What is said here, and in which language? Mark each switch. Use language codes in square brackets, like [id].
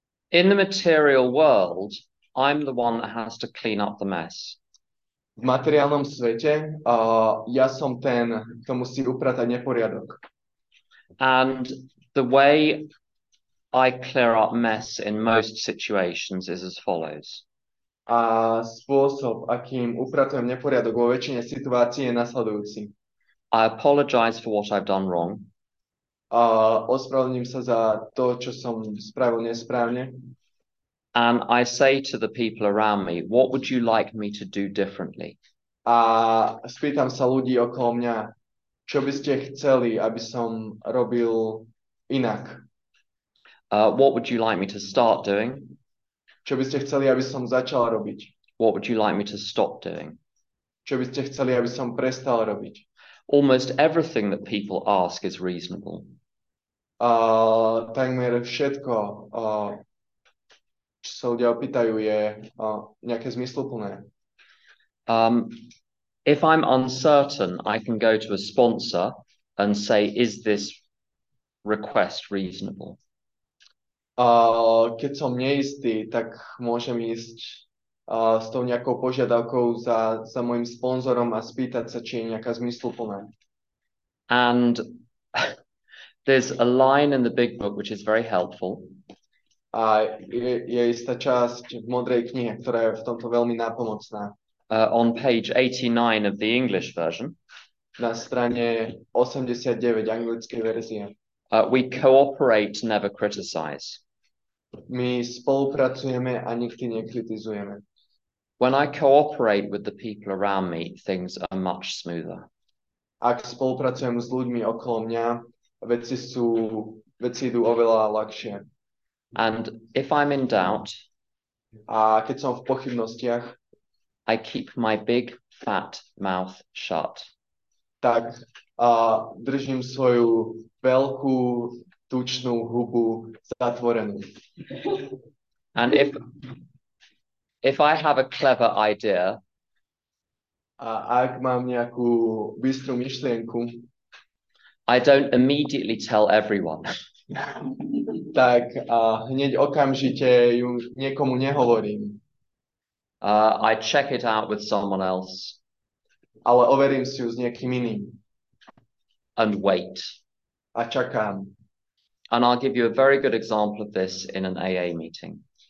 [en] In the material world, I'm the one that has to clean up the mess. [sk] V materiálnom svete ja som ten, kto musí upratať neporiadok. [en] And the way I clear up mess in most situations is as follows. [sk] A spôsob, akým upratujem neporiadok vo väčšine situácií, je nasledujúci. [en] I apologize for what I've done wrong. [sk] A ospravedlním sa za to, čo som spravil nesprávne. [en] And I say to the people around me, what would you like me to do differently? [sk] A spýtam sa ľudí okolo mňa, čo by ste chceli, aby som robil inak? [en] What would you like me to start doing? [sk] Čo by ste chceli, aby som začal robiť? [en] What would you like me to stop doing? [sk] Čo by ste chceli, aby som prestal robiť? [en] Almost everything that people ask is reasonable. [sk] Takmer všetko, čo sa ľudia opýtajú, je nejaké zmysluplné. [en] If I'm uncertain, I can go to a sponsor and say, is this request reasonable? [sk] Keď som neistý, tak môžem ísť s tou nejakou požiadavkou za môjim sponzorom a spýtať sa, či je nejaká zmysluplná. [en] And there's a line in the Big Book, which is very helpful. [sk] A je istá časť v Modrej knihe, ktorá je v tomto veľmi nápomocná. [en] On page 89 of the English version. [sk] Na strane 89 anglickej verzie. [en] We cooperate, never criticize. [sk] My spolupracujeme a nikdy nekritizujeme. [en] When I cooperate with the people around me, things are much smoother. [sk] Ak spolupracujem s ľuďmi okolo mňa, veci idú oveľa ľahšie. [en] And if I'm in doubt, [sk] a keď som v pochybnostiach, [en] I keep my big fat mouth shut. [sk] Tak držím svoju veľkú tučnú hubu zatvorenú. [en] And if I have a clever idea, [sk] a ak mám nejakú bystrú myšlienku, [en] I don't immediately tell everyone. [sk] Tak hneď okamžite ju niekomu nehovorím. [en] I check it out with someone else. [sk] Ale overím si ju s niekým iným. [en] And wait. [sk] A čakám. [en] And I'll give you a very good example of this in an AA meeting.